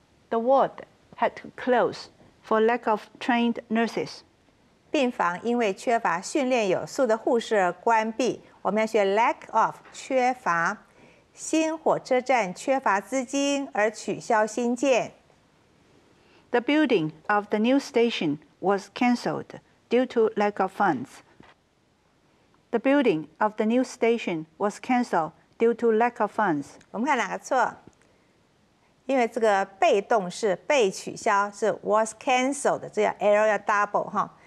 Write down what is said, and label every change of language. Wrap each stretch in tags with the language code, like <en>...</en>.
<en>The ward had to close for lack of trained nurses.</en> <zh>病房因为缺乏训练有素的护士而关闭。我们要学 lack of 缺乏。新火车站缺乏资金而取消新建。</zh> <en>The building of the new station was cancelled due to lack of funds. The building of the new station was cancelled due to lack of funds.</en> <zh>我们看哪个错？因为这个被动式被取消是 was cancelled， 这样 L 要 double 哈。</zh>